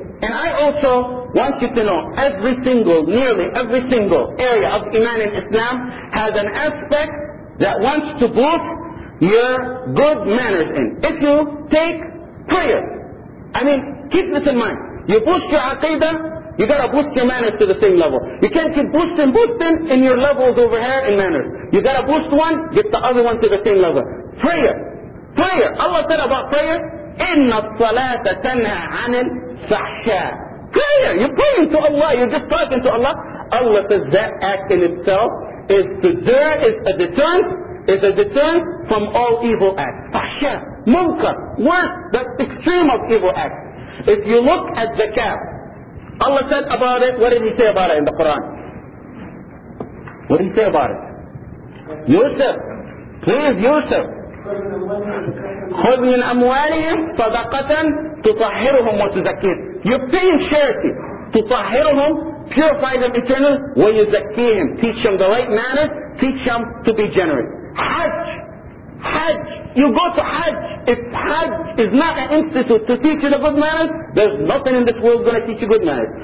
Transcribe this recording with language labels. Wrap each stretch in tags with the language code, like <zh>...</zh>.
<en>And I also want you to know, nearly every single area of Iman in Islam has an aspect that wants to boost your good manners in. If you take prayer, I mean, keep this in mind. You boost your aqidah, you gotta boost your manners to the same level. You can't keep boosting in your levels over here in manners. You gotta boost one, get the other one to the same level. Prayer. Allah said about prayer,</en> <ar>إِنَّ الصَّلَاةَ تَنْهَى عَنِ الْفَحْشَاءِ.</ar> <en>Prayer! You're praying to Allah, you're just talking to Allah. Allah says that act in itself is a deterrent from all evil acts. فَحْشَاء, مُنْكَر, worse, the extreme of evil acts. If you look at zakat, Allah said about it, what did He say about it in the Quran? What did He say about it? Yusuf, please Yusuf.</en> <ar>خذ من أموالهم صدقة تطهرهم وتزكيهم.</ar> <en>You're paying charity. تطهرهم, purify them eternally, ويزكيهم, teach them the right manners, teach them to be generous. Hajj. You go to Hajj. If Hajj is not an institute to teach you the good manners, there's nothing in this world going to teach you good manners.</en>